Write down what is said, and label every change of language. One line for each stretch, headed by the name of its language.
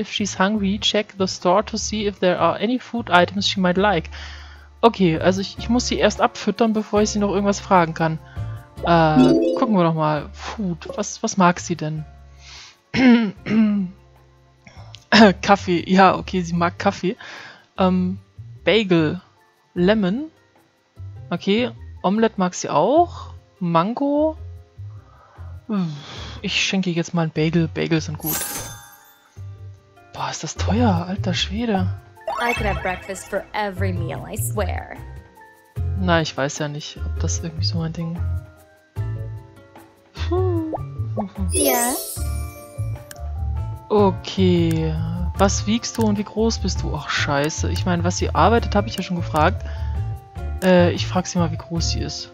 English: If she's hungry, check the store to see if there are any food items she might like.
German: Okay, also ich muss sie erst abfüttern, bevor ich sie noch irgendwas fragen kann. Gucken wir doch mal. Food, was mag sie denn? Kaffee. Ja, okay, sie mag Kaffee. Bagel. Lemon. Okay, Omelette mag sie auch. Mango. Ich schenke jetzt mal ein Bagel. Bagels sind gut. Boah, ist das teuer, alter Schwede.
English: I could have breakfast for every meal, I swear.
German: Na, ich weiß ja nicht, ob das irgendwie so mein Ding.
English: Yeah.
German: Okay, was wiegst du und wie groß bist du? Ach, scheiße. Ich meine, was sie arbeitet, habe ich ja schon gefragt. Ich frage sie mal, wie groß sie ist.